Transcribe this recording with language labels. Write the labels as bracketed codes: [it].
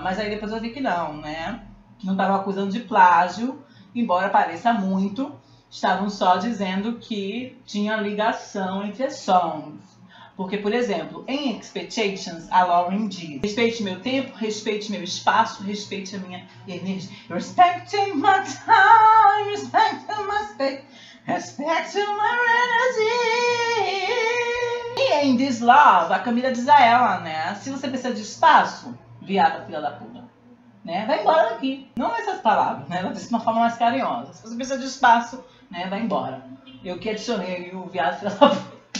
[pt] Mas aí depois eu vi que não, né? Não estavam acusando de plágio, embora pareça muito. Estavam só dizendo que tinha ligação entre songs. Porque, por exemplo, em Expectations, a Lauren diz: respeite meu tempo, respeite meu espaço, respeite a minha energia. [en] Respecting my time, respecting my space, respecting my energy. [pt] E em This Love, a Camila diz a ela, né? Se você precisa de espaço, viada filha da puta, né? Vai embora daqui. Não essas palavras, né? Ela diz de uma forma mais carinhosa. Se você precisa de espaço, né? Vai embora. Eu que adicionei o viado filha da puta.